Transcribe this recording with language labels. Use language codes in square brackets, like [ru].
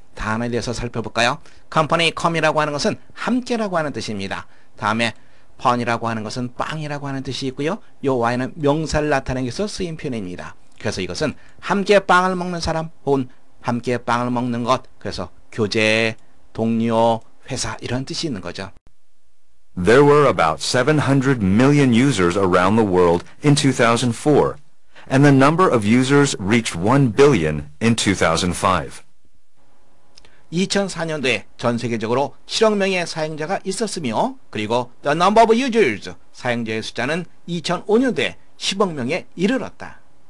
[ko] 단어에 대해서 살펴볼까요? 컴퍼니, 컴이라고 하는 것은 함께라고 하는 뜻입니다. 다음에 펀이라고 하는 것은 빵이라고 하는 뜻이 있고요. 요 와인은 명사를 나타내기 위해서 쓰인 표현입니다. 그래서 이것은 함께 빵을 먹는 사람 혹은 함께 빵을 먹는 것, 그래서 교제, 동료, 회사 이런 뜻이 있는 거죠. [en] There were about 700 million users around the world in 2004, and the number of users reached 1 billion in 2005. [ko] 2004년도에 전 세계적으로 7억 명의 사용자가 있었으며 그리고 [en] The Number of Users [ko] 사용자의 숫자는 2005년도에 10억 명에 이르렀다.